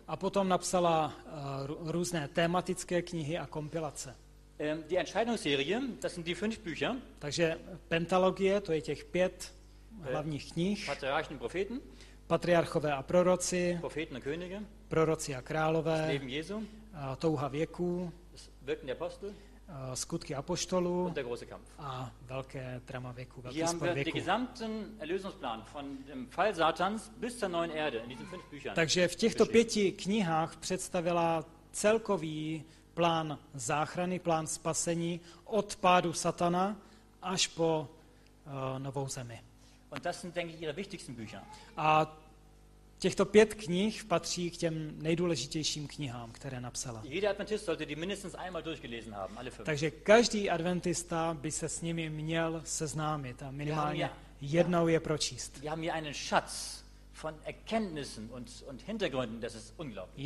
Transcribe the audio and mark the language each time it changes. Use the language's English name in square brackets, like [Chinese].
[Czech] A potom napsala různé tematické knihy a kompilace. [German] Die Entscheidungsserie, das sind die fünf Bücher. [Czech] Takže pentalogie, to je těch pět hlavních knih. [German] Patriarchen und Propheten. [Czech] Patriarchové a proroci. [German] Propheten und Könige. [Czech] Proroci a králové. [German] Das Leben Jesu. [Czech] Touha věků. [German] Das Wirken der Apostel. [Czech] Skutky apoštolů [German] der große Kampf. [Czech] A velké drama věku, velký spor věku. [German] Den gesamten Erlösungsplan von dem Fall Satans bis zur neuen Erde in diesen fünf Büchern. [Czech] Takže v těchto pěti knihách představila celkový plán záchrany, plán spasení od pádu Satana až po novou zemi. [German] Und das sind, denke ich, ihre wichtigsten Bücher. [Czech] A těchto pět knih patří k těm nejdůležitějším knihám, které napsala. [German] Jeder Adventist sollte die mindestens einmal durchgelesen haben, alle fünf. [Czech] Takže každý adventista by se s nimi měl seznámit a minimálně jednou je pročíst. [German] Wir haben hier einen Schatz von Erkenntnissen und Hintergründen, das ist unglaublich.